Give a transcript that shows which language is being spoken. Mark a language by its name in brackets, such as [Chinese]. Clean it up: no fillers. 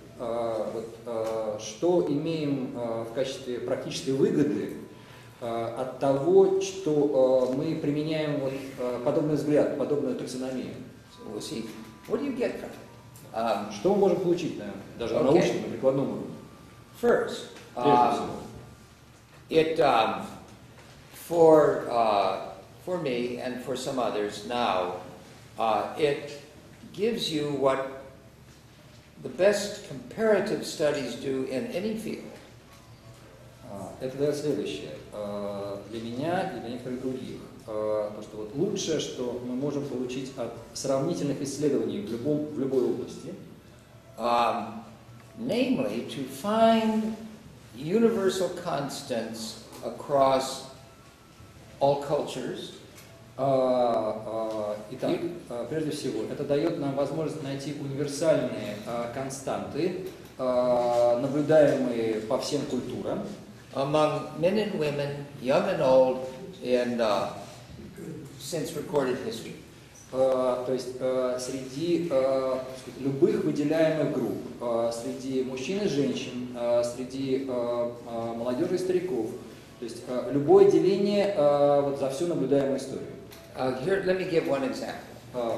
[Russian] Что имеем в качестве практической выгоды от того, что мы применяем вот, подобный взгляд, подобную таксономию? [English] So we'll see. What do you get from it? [Russian] Что мы можем получить, наверное, даже [English] okay. [Russian] научном, на прикладном уровне? [English] First, for me and for some others now, it gives you what the best comparative studies do in any field. [Russian] Это для следующее. Для меня и для некоторых других. То, что вот лучшее, что мы можем получить от сравнительных исследований в любой области. [English] Namely, to find universal constants across all cultures. [Russian] Итак, прежде всего, это дает нам возможность найти универсальные константы, наблюдаемые по всем культурам. [English] Among men and women, young and old, and since recorded history. [Russian] То есть среди любых выделяемых групп, среди мужчин и женщин, среди молодежи и стариков, то есть любое деление вот, за всю наблюдаемую историю. [English] Here, let me give one example.